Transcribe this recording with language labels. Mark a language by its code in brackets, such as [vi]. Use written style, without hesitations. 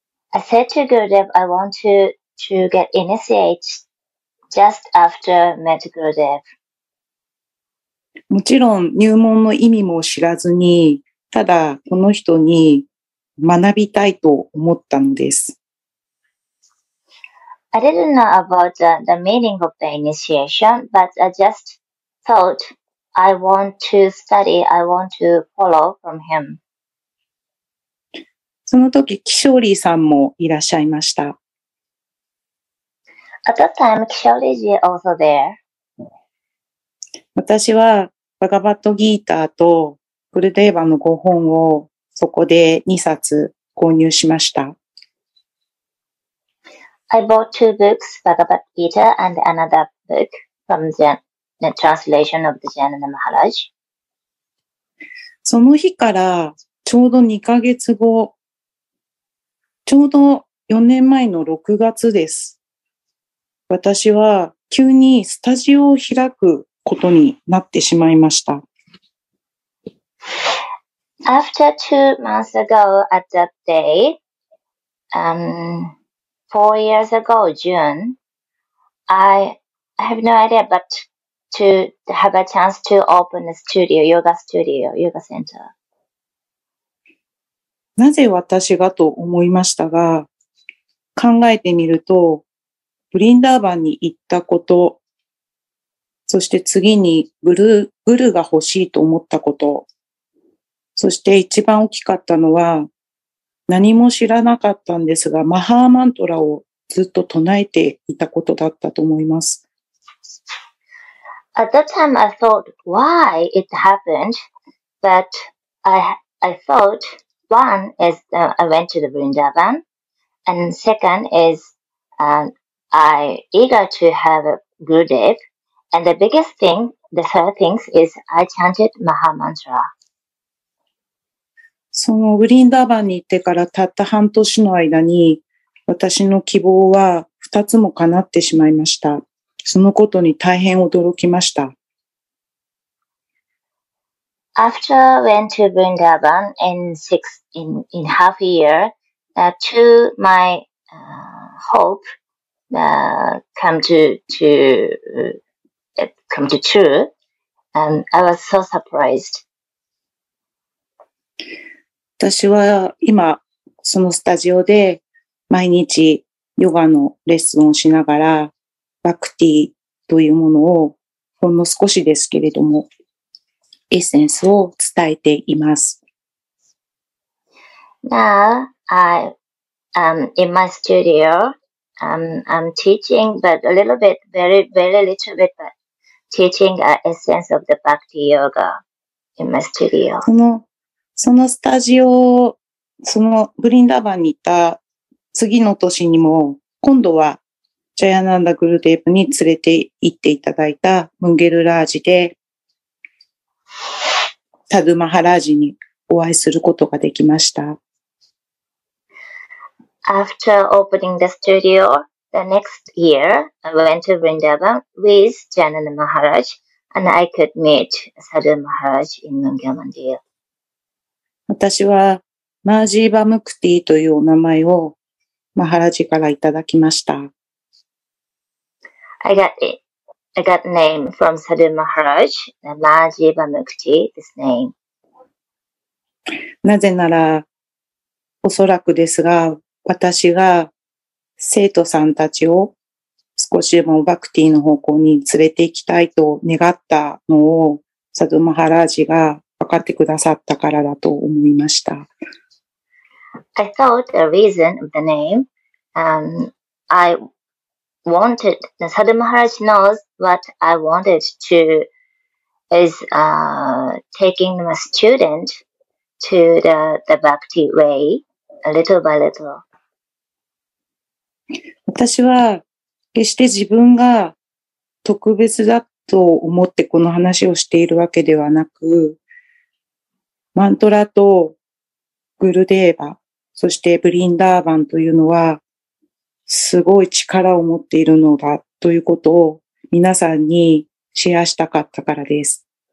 [en] I said to Gurudev, I want to get initiated just after met Gurudev. [ja] もちろん入門の意味も知らずに、ただこの人に学びたいと思ったのです。 [en] I didn't know about the meaning of the initiation, but I just thought I want to study, I want to follow from him. [ja] その時、キショーリーさんもいらっしゃいました。 [en] At that time, キショーリー ji also there. [ja] 私は、バガバットギーターとグルデーバの5本をそこで2冊購入しました。 [en] I bought two books, Bhagavad Gita and another book from the translation of the Jnana Maharaj. [ja] その日からちょうど2ヶ月後、ちょうど4年前の6月です。私は急にスタジオを開くことになってしまいました。 [en] After 2 months ago at that day, 4 years ago, June, I have no idea but to have a chance to open a studio, yoga studio, yoga center. [ja] なぜ私がと思いましたが、考えてみると、ブリンダーバンに行ったこと、そして次にブルが欲しいと思ったこと。そして一番大きかったのは何も知らなかったんですが、マハーマントラをずっと唱えていたことだったと思います。 [en] At that time I thought why it happened, but I thought one is I went to the Vrindavan, and second is I eager to have a Gurudev. And the biggest thing, the third thing is I chanted Maha Mantra. [ja] そのブリンダーバンに行ってからたった半年の間に私の希望は二つも叶ってしまいました。そのことに大変驚きました。 [en] After I went to Vrindavan in half a year, hope, come to true, and I was so surprised. [ja] 私は今そのスタジオで毎日ヨガのレッスンをしながらバクティというものをほんの少しですけれどもエッセンスを伝えています。 [en] Now I in my studio I'm teaching but a little bit very very little bit butteaching a essence of the bhakti yoga in my studio. [ja] そのスタジオ、そのブリンダーバンに行った次の年にも、今度はジャヤナンダ・グルデーブに連れて行っていただいたムンゲルラージで、タドゥマハラージにお会いすることができました。 [en] After opening the studio,The next year, I went to Vrindavan with Jnana Maharaj, and I could meet Sadhu Maharaj in Mangala Mandir. [ja] 私はマージーバムクティというお名前をマハラジからいただきました。 [en] I got name from Sadhu Maharaj, the Maji Bamukti, this name. [ja] なぜなら、おそらくですが、私が生徒さんたちを少しでもバクティの方向に連れて行きたいと願ったのをサドマハラージが分かってくださったからだと思いました。 [en] I thought the reason of the name, I wanted. Sadhu Maharaj knows what I wanted to is taking my student to the bhakti way little by little. [ja] 私は決して自分が特別だと思ってこの話をしているわけではなく、マントラとグルデーバ、そしてブリンダーバンというのはすごい力を持っているのだということを皆さんにシェアしたかったからです。